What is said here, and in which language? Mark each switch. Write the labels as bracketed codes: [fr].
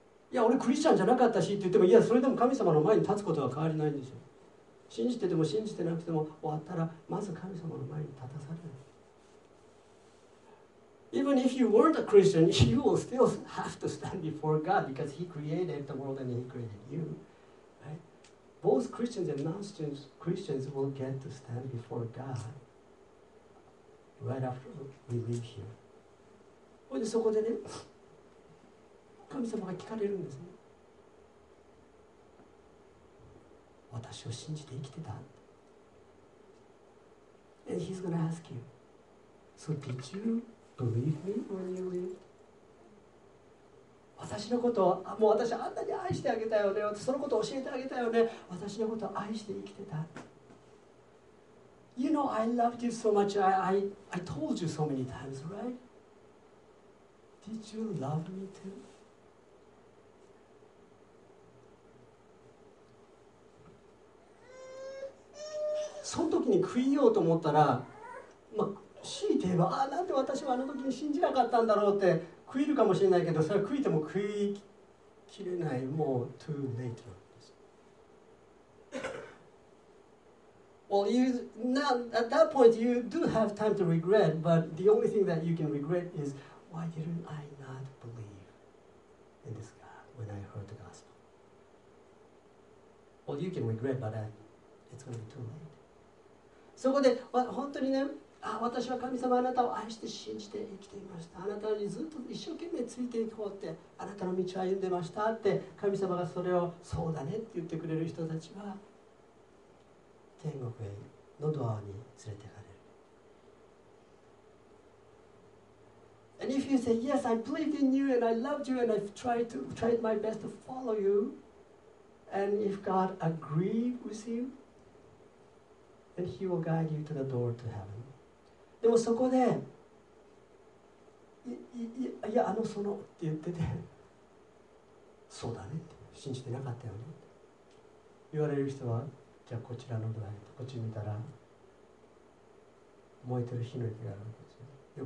[ja] いや俺クリスチャンじゃなかったしって言っても、いやそれでも神様の前に立つことは変わりないんですよ。信じてても信じてなくても、終わったらまず神様の前に立たされる。 [en] Even if you weren't a Christian, you will still have to stand before God because He created the world and He created you.、Right? Both Christians and non-Christians will get to stand before GodRight after we leave here. [ja] ほいでそこでね、神様が聞かれるんですね。私を信じて生きてた。 [en] And he's gonna ask you, So did you believe me when you lived? [ja] 私のことを、もう私あんなに愛してあげたよね。そのことを教えてあげたよね。私のことを愛して生きてた。 [en] You know, I loved you so much. I told you so many times, right? Did you love me too? [ja] その時に悔いようと思ったら、まあ、強いて言えば、ああ、なんで私はあの時に信じなかったんだろうって悔いるかもしれないけど、それは悔いても悔いきれない、もう [en] too late. Well, you, now, at that point, you do have time to regret, but the only thing that you can regret is, why didn't I not believe in this God when I heard the gospel? Well, you can regret, but it's going to be too late. [ja] そこで、本当にね、私は神様、あなたを愛して信じて生きていました。あなたにずっと一生懸命ついていこうって、あなたの道を歩んでましたって、神様がそれを、そうだねって言ってくれる人たちは、天国へのドアに連れて行かれる。 [en] And if you say, yes, I believed in you and I loved you and I've tried my best to follow you, and if God agreed with you, then He will guide you to the door to heaven. [ja] でもそこで、いや、あの、そのって言ってて、そうだねって、信じてなかったよねって言われる人は、じゃあこちらのドアへ、こっち見たら燃えてる火の池があるんですよ。